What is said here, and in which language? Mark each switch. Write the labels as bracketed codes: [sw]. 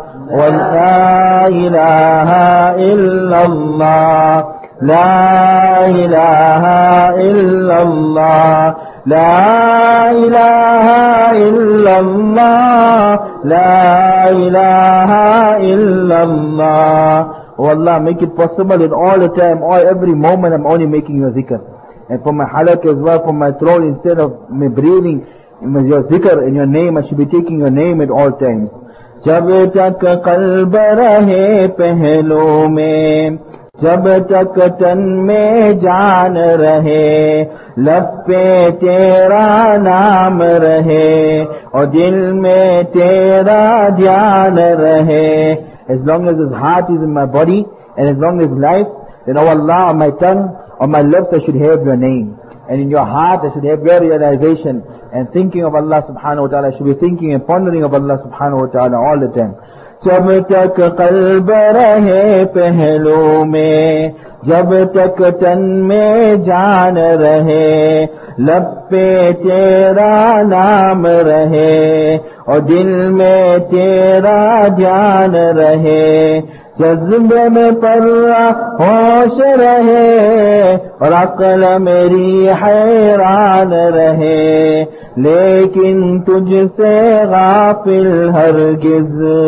[ar] ولا الہ الا اللہ لا الہ الا اللہ لا الہ الا اللہ لا الہ الا اللہ واللہ [en] make it possible in all the time, all every moment I'm only making your dhikr. And for my halak as well, for my throat, instead of me breathing, your dhikr and your name, I should be taking your name at all times. [ur] جب تک قلب رہے پہلو میں جب تک تن میں جان رہے لب پہ تیرا نام رہے اور دل میں تیرا دھیان رہے [en] As long as his heart is in my body and as long as life, then oh Allah, on my tongue, on my lips, I should have your name. And in your heart, I should have your realization. And thinking of Allah subhanahu wa ta'ala, I should be thinking and pondering of Allah subhanahu wa ta'ala all the time. [ur] جب تک قلب رہے پہلو میں جب تک تن میں جان رہے لب پہ تیرا نام رہے اور دل میں تیرا دھیان رہے جذب میں پرہ ہوش رہے اور عقل میری حیران رہے لیکن تجھ سے غافل ہرگز